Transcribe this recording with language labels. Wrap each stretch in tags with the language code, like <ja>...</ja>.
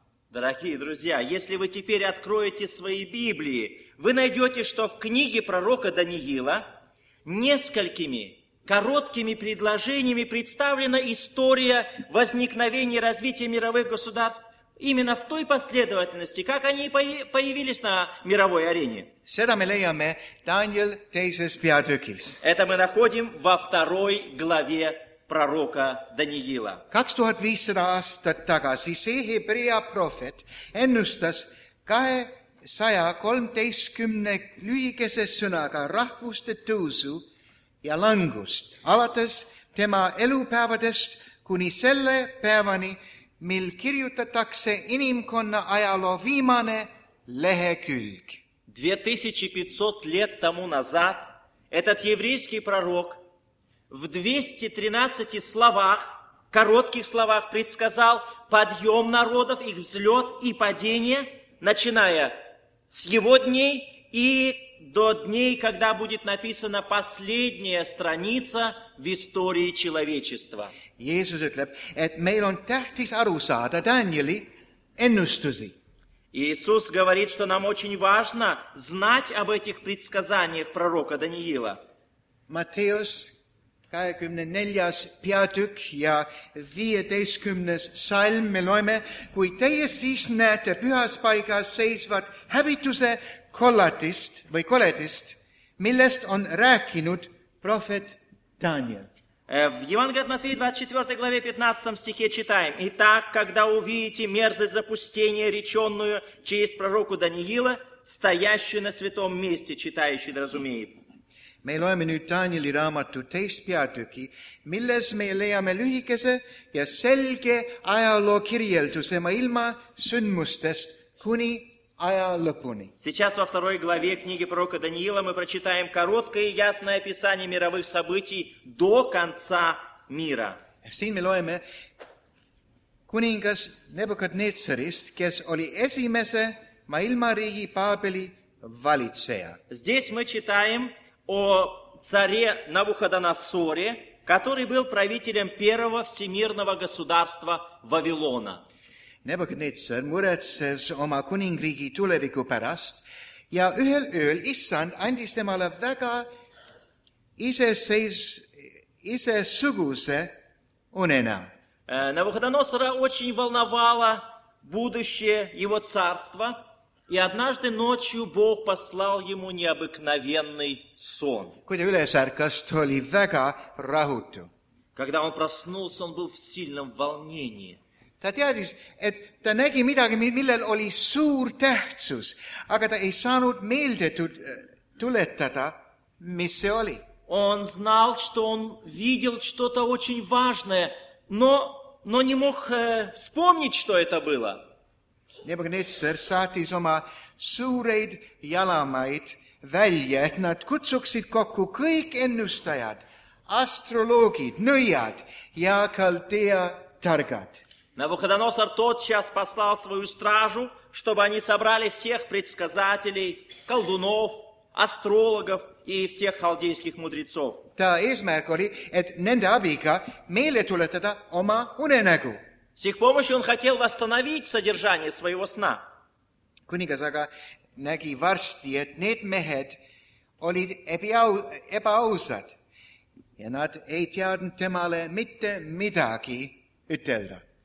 <ru>Дорогие друзья, если вы теперь откроете свои Библии, вы найдете, что в книге пророка Даниила несколькими короткими предложениями представлена история возникновения и развития мировых государств именно в той последовательности, как они появились на мировой арене. Это мы находим во второй главе пророка Даниила.</ru> <et>2500 aasta tagasi see Hebrea prohvet ennustas 213 lühikese sõnaga rahvuste tõusu ja langust alates tema elupäevadest kuni selle päevani, mil kirjutatakse inimkonna ajaloo viimane lehekülg.</et> <ru>2500 лет тому назад этот еврейский пророк в 213 словах, коротких словах, предсказал подъем народов, их взлет и падение, начиная с его дней и до дней, когда будет написана последняя страница в истории человечества.</ru> <et>Jeesus ütleb, et meil on tähtis aru saada Danieli ennustusi.</et> <ru>Иисус говорит, что нам очень важно знать об этих предсказаниях пророка Даниила.</ru> <et>Матеус 24. Peatükk ja 15. salm me loeme, kui teie siis näete pühas paigas seisvat hävituse kollatist või koledist, millest on rääkinud prohvet Daniel.</et> <ru>В Евангелии от Матфея 24 главе 15 стихе читаем. Итак, когда увидите мерзость запустения, реченную через пророку Даниила, стоящую на святом месте, читающий да разумеет.</ru> <et>Me loeme nüüd Danieli raamatu teist peatüki, milles me leiame lühikese ja selge ajaloo kirjelduse ilma sündmustest kuni aja lõpuni.</et> <ru>Сейчас во второй главе книги пророка Даниила мы прочитаем короткое и ясное описание мировых событий до конца мира.</ru> <et>Siin me loeme kuningas Nebukadnetsarist, kes oli esimese maailmariigi Paabeli valitseja.</et> <ru>Здесь мы читаем о царе Навуходоносоре, который был правителем первого всемирного государства Вавилона.</ru> <et>Nebukadnetsar muretses oma kuningriigi tuleviku pärast ja ühel ööl Issand andis temale väga isesuguse unenäo.</et> <ru>Навуходоносора очень волновало будущее его царства. И однажды ночью Бог послал ему необыкновенный сон. Когда</ru> <et>ülesärkas,</et> <ru>то</ru> <et>oli väga rahutu.</et> <ru>Когда он проснулся, он был в сильном волнении.</ru> <et>Ta teadis, et ta nägi midagi, millel oli suur tähtsus, aga ta ei saanud meelde tuletada, mis see oli.</et> <ru>Он знал, что он видел что-то очень важное, но не мог вспомнить, что это было.</ru> <et>Nebukadnetsar saatis oma suureid jalamaid välja, et nad kutsuksid kokku kõik ennustajad, astroloogid, nõiad ja kaldea targad.</et> <ru>Навуходоносор тотчас послал свою стражу, чтобы они собрали всех предсказателей, колдунов, астрологов и всех халдейских мудрецов.</ru> <et>Ta eesmärk oli, et nende abiga meile tuletada oma unenägu.</et> <ru>С их помощью он хотел восстановить содержание своего сна.</ru> <et>Kuningas aga nägi varsti, et need mehed olid ebaausad ja nad ei teadnud temale mitte midagi ütelda.</et>